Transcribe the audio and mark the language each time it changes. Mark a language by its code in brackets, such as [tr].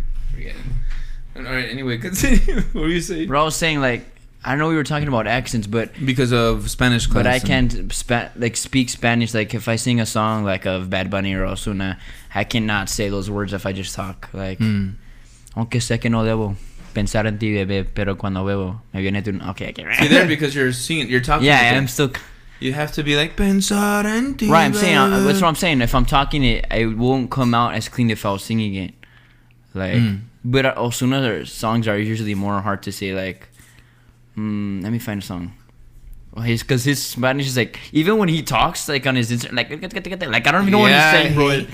[en] Forget it. All right. Anyway, continue. What were you saying? Bro, I was saying, like, I know we were talking about accents, but... Because of Spanish class. But I can't speak Spanish. Like, if I sing a song, like, of Bad Bunny or Ozuna, I cannot say those words if I just talk. [es] Like, aunque sé que no debo pensar en ti, bebé, pero cuando bebo, me viene tu... [en] Okay, I can't... See, there, because you're singing, you're talking... Yeah, I'm still... You have to be like, [es] pensar en ti, bebé. [en] Right, I'm saying, that's what I'm saying. If I'm talking it, it won't come out as clean if I was singing it. Like, but Ozuna's songs are usually more hard to say, like... let me find a song. Well, because his Spanish is like, even when he talks, like on his Instagram, like, I don't even know what he's saying, bro.